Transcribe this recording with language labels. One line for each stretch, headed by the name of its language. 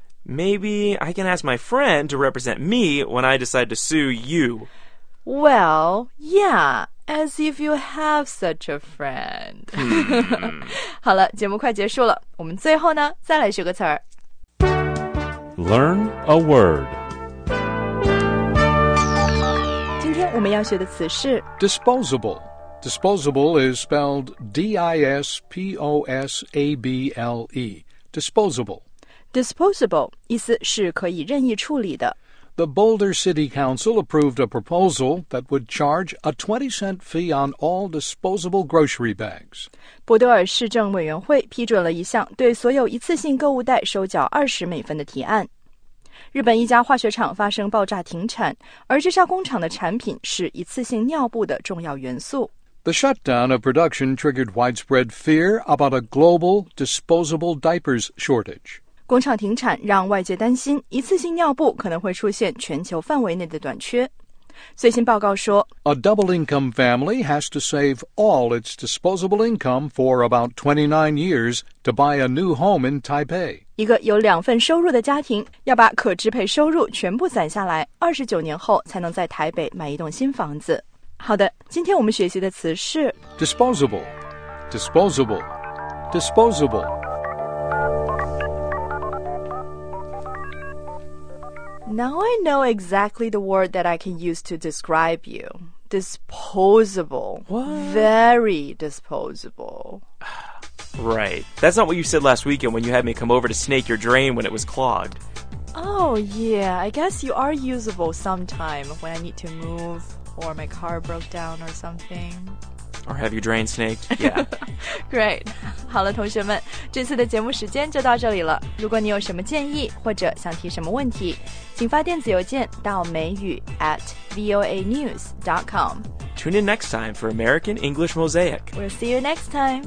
English: Maybe I can ask my friend to represent me when I decide to sue you. Well, yeah, as if you have such a friend.
Chinese: 好了，节目快结束了，我们最后呢，再来学个词儿。
English: Learn a word.
Chinese: 今天我们要学的词是
English: disposable. Disposable is spelled D-I-S-P-O-S-A-B-L-E. Disposable.
Chinese: Disposable 意思是可以任意处理的。
English: The Boulder City Council approved a proposal that would charge a 20-cent fee on all disposable grocery bags.
Chinese: 博德尔市政委员会批准了一项对所有一次性购物袋收缴$20的提案。日本一家化学厂发生爆炸停产，而这家工厂的产品是一次性尿布的重要元素。
English: The shutdown of production triggered widespread fear about a global disposable diapers shortage.
Chinese: 工厂停产让外界担心一次性尿布可能会出现全球范围内的短缺。最新报告说
English: A double income family has to save all its disposable income for about 29 years to buy a new home in Taipei.
Chinese: 一个有两份收入的家庭要把可支配收入全部攒下来29年后才能在台北买一栋新房子。好的，今天我们学习的词是
English: Disposable Disposable Disposable Now I know exactly the word that I can use to describe you. Disposable. What? Very disposable. Right. That's not what you said last weekend when you had me come over to snake your drain when it was clogged. Oh, yeah. I guess you are usable sometime when I need to move or my car broke down or something. Or have you drain snaked? Yeah. Great.
Chinese: 好了，同学们，这次的节目时间就到这里了。如果你有什么建议或者想提什么问题，请发电子邮件到美语@voanews.com.
English: Tune in next time for American English Mosaic. We'll see you next time.